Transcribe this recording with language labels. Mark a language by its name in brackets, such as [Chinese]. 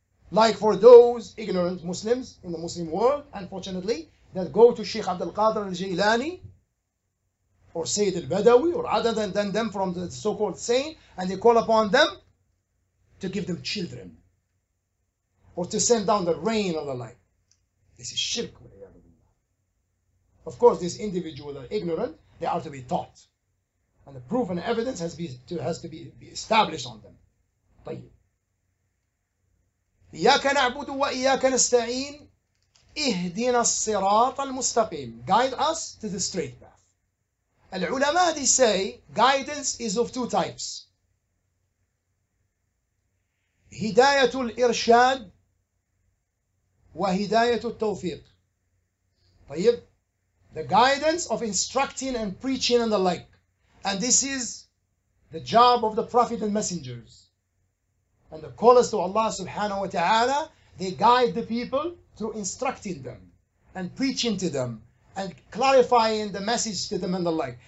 [English] Like for those ignorant Muslims in the Muslim world, unfortunately, that go to Sheikh Abdul Qadir al-Jailani, or Sayyid al-Badawi, or other than them from the so-called saint, and they call upon them to give them children, or to send down the rain or the light. This is shirk. Of course, these individuals are ignorant, they are to be taught. And the proof and evidence has to be established on them. [Arabic] طيب. إياك نعبد وإياك نستعين إهدنا الصراط المستقيم. [English] Guide us to the straight path. العلماء, they say, guidance is of two types. [Arabic] هداية الإرشاد وهداية التوفيق. طيب. [English] The guidance of instructing and preaching and the like. And this is the job of the Prophet and messengers. And the callers to Allah subhanahu wa ta'ala, they guide the people through instructing them and preaching to them and clarifying the message to them and the like.